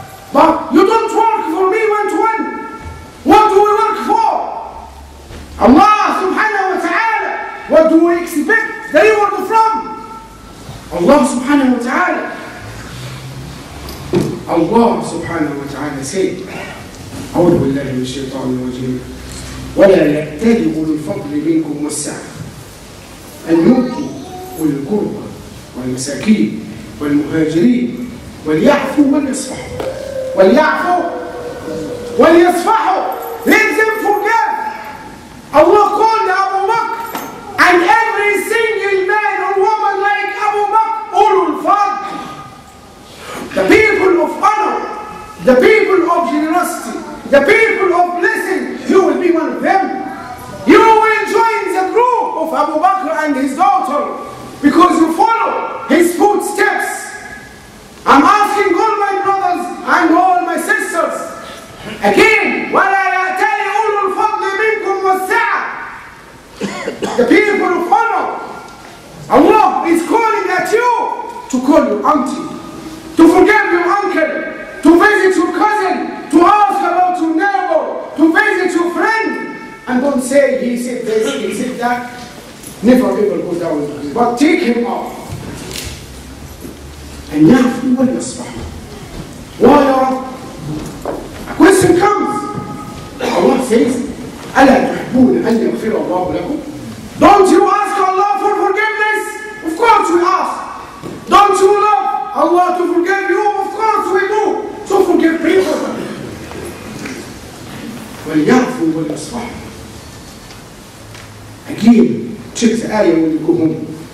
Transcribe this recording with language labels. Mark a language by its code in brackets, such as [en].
[en] But you don't work for me one-to-one. What do we work for? Allah subhanahu wa ta'ala. What do we expect that you are from? Allah subhanahu wa ta'ala. Allah subhanahu wa ta'ala said, [ar] أعوذ بالله من الشيطان الرجيم. ولا يأتل أولو الفضل منكم والسعة أن يؤتوا أولي القربى والمساكين والمهاجرين وليعفوا وليصفحوا وليعفوا وليصفحوا. [en] Let them forget. Allah called Abu Bakr and every single man or woman like Abu Bakr, Ulul Fadl, the people of honor, the people of generosity, the people of blessing, you will be one of them. You will join the group of Abu Bakr and his daughter because you follow his footsteps. I'm asking all my brothers and all my sisters again, [ar] وَلَا يَأْتَلِ أُولُوا الْفَضْلِ مِنْكُمْ وَالسَّعَةِ. [en] The people of honor, Allah is calling at you to call your auntie, to forgive your uncle, to visit your cousin, to ask about your neighbor, to visit your friend, and don't say he said this, he said that. Never ever go down to him, but take him off. And [ar] يَعْفُوا وَلْيَصْفَحُوا. [en] Why are a question comes? Allah says, [ar] أَلَا تُحِبُّونَ أَنْ يَغْفِرَ اللَّهُ لَكُمْ. [en] Don't you ask Allah for forgiveness? Of course we ask. Don't you love Allah to forgive you? Of course we do. So forgive people. [ar] وَلْيَعْفُوا وَلْيَصْفَحُوا. [en] Again, check the ayah when you go home.